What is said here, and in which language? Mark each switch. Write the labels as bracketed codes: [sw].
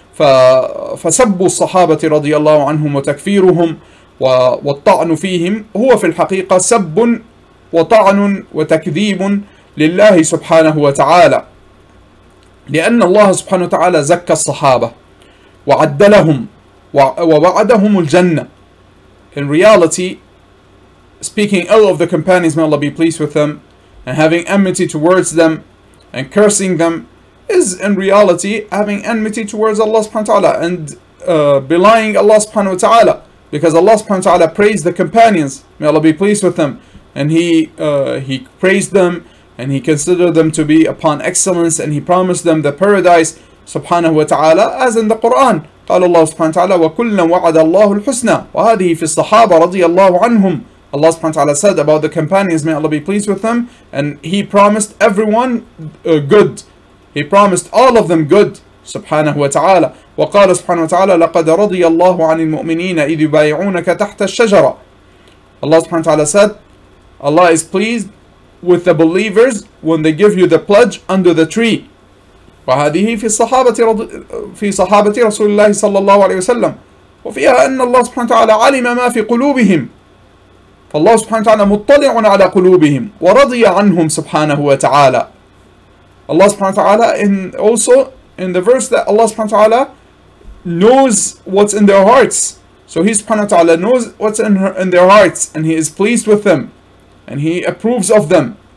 [ar] فَسَبُّوا الصَّحَابَةِ رضي الله عنهم وتكفيرهم وَالطَّعْنُ فِيهِمْ هُوَ فِي الْحَقِيقَةِ سَبٌّ وَطَعْنٌ وَتَكْذِيبٌ لله سبحانه وتعالى, لأن الله سبحانه وتعالى زكى الصحابة وعدلهم ووعدهم الجنة. [en] In reality, speaking ill of the companions, may Allah be pleased with them, and having enmity towards them and cursing them is in reality having enmity towards Allah سبحانه وتعالى and belying Allah سبحانه وتعالى, because Allah سبحانه وتعالى praised the companions, may Allah be pleased with them, and he praised them and he considered them to be upon excellence, and he promised them the paradise, subhanahu wa ta'ala, as in the Quran. [ar] قال الله سبحانه وتعالى وَكُلًّا وَعَدَ اللَّهُ الْحُسْنَى. وهذه في الصحابة رضي الله عنهم. [en] Allah سبحانه وتعالى said about the companions, may Allah be pleased with them, and he promised everyone good. He promised all of them good, subhanahu wa ta'ala. [ar] وقال سبحانه وتعالى لَقَدَ رَضِيَ اللَّهُ عَنِ الْمُؤْمِنِينَ إِذْ يُبَايِعُونَكَ تَحْتَ الشَّجَرَةِ. [en] Allah subhanahu wa ta'ala said, Allah is pleased with the believers when they give you the pledge under the tree. [ar] وهذه في صحابة رسول الله صلى الله عليه وسلم وفيها أن الله سبحانه وتعالى علم ما في قلوبهم فالله سبحانه وتعالى مطلع على قلوبهم ورضي عنهم سبحانه وتعالى. [en] Allah سبحانه وتعالى in the verse that Allah سبحانه وتعالى knows what's in their hearts, so He سبحانه وتعالى knows what's in their hearts and He is pleased with them and He approves of them.